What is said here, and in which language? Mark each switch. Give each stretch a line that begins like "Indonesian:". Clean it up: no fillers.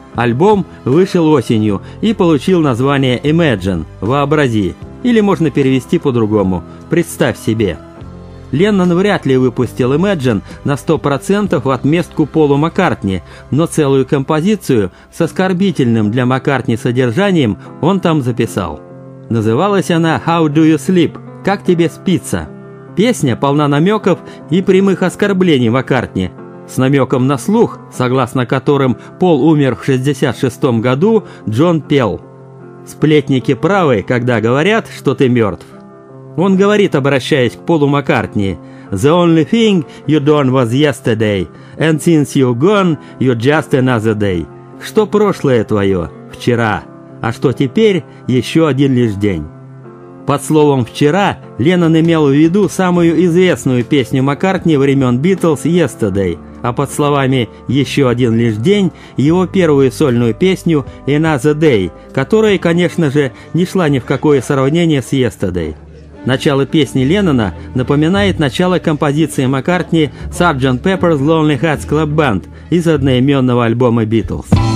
Russian: Альбом вышел осенью и получил название «Imagine» – «Вообрази», или можно перевести по-другому – «Представь себе». Леннон вряд ли выпустил «Imagine» на 100% в отместку Полу Маккартни, но целую композицию с оскорбительным для Маккартни содержанием он там записал. Называлась она
English: «How do you sleep?»
Russian: – «Как тебе спится?». Песня полна намеков и прямых оскорблений Маккартни. С намеком на слух, согласно которым Пол умер в 66 году, Джон пел: «Сплетники правы, когда говорят, что ты мертв». Он говорит, обращаясь к Полу Маккартни:
English: «The only thing you done was yesterday, and since you gone, you're just another day.
Russian: Что прошлое твое? Вчера. А что теперь? Еще один лишь день». Под словом «вчера» Леннон имел в виду самую известную песню Маккартни времен «Битлз» «Yesterday», а под словами «еще один лишь день» его первую сольную песню «Another Day», которая, конечно же, не шла ни в какое сравнение с «Yesterday». Начало песни Леннона напоминает начало композиции Маккартни «Sgt. Pepper's Lonely Hearts Club Band» из одноименного альбома «Битлз».